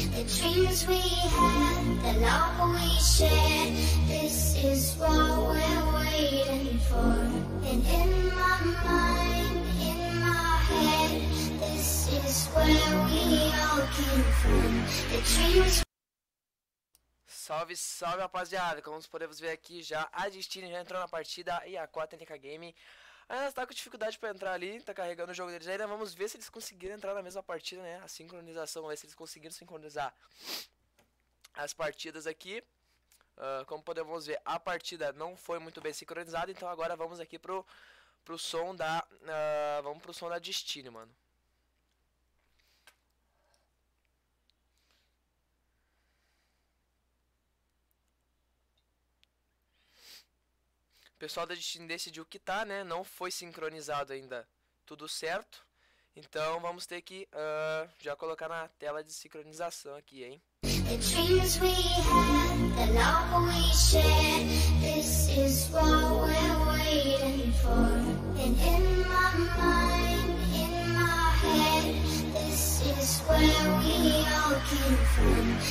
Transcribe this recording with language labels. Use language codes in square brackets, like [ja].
[en] The dreams we had, the love we shared. This is what we're waiting for. And in my mind, in my head, this is where we all came from. The dreams. [pt] Salve, salve, rapaziada. Como podemos ver aqui já, a Destiny já entrou na partida e a Quatenica Game ainda está com dificuldade para entrar ali, tá carregando o jogo deles ainda. Vamos ver se eles conseguiram entrar na mesma partida, né? A sincronização, vamos ver se eles conseguiram sincronizar as partidas aqui. Como podemos ver, a partida não foi muito bem sincronizada, então agora vamos aqui pro som da. Vamos pro som da Destiny, mano. O pessoal da Destiny decidiu que tá, né? Não foi sincronizado ainda tudo certo. Então vamos ter que já colocar na tela de sincronização aqui, hein? [en] The dreams we had, the love we shared. This is what we're waiting for. And in my mind, in my head, this is where we all came from.